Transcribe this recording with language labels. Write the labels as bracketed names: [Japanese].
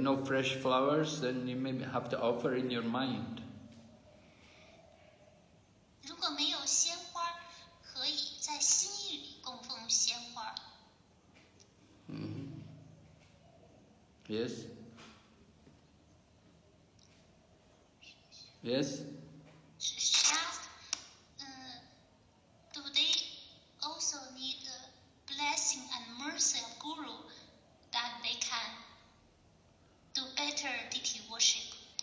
[English] no fresh flowers, then you may have to offer in your mind. [Chinese] 如果没有鲜花，可以在心意里供奉鲜花。Yes. [English] Yes. She asked, do they also need the blessing and mercy of Guru that they can do better deity worship?